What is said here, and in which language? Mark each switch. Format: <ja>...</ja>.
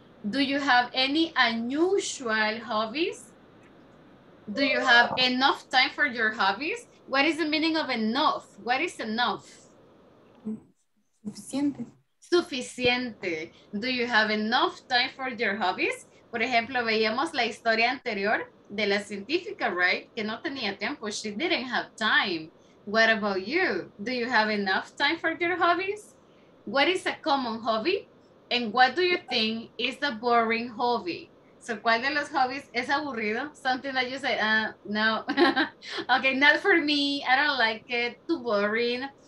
<en>Do you have any unusual hobbies? Do you have enough time for your hobbies? What is the meaning of enough? What is enough?</en> <es>Suficiente.</es> <en>Do you have enough time for your hobbies?</en> <es>Por ejemplo, veíamos la historia anterior de la científica, right? Que no tenía tiempo.</es> <en>She didn't have time. What about you? Do you have enough time for your hobbies? What is a common hobby? And what do you think is the boring hobby?</en> <es>So, ¿cuál de los hobbies es aburrido?</es> <en>Something that you say, no. Okay, not for me. I don't like it. Too boring.</en>